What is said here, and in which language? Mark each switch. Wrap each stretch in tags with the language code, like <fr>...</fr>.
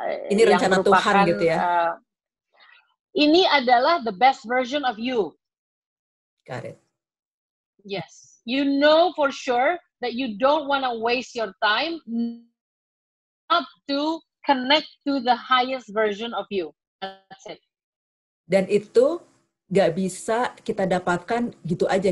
<id>ini rencana yang Tuhan gitu ya. Ini adalah</id> <en>the best version of you. Got it. Yes. You know for sure that you don't want to waste your time not to connect to the highest version of you. That's it.</en> <id>Dan itu gak bisa kita dapatkan gitu aja.</id>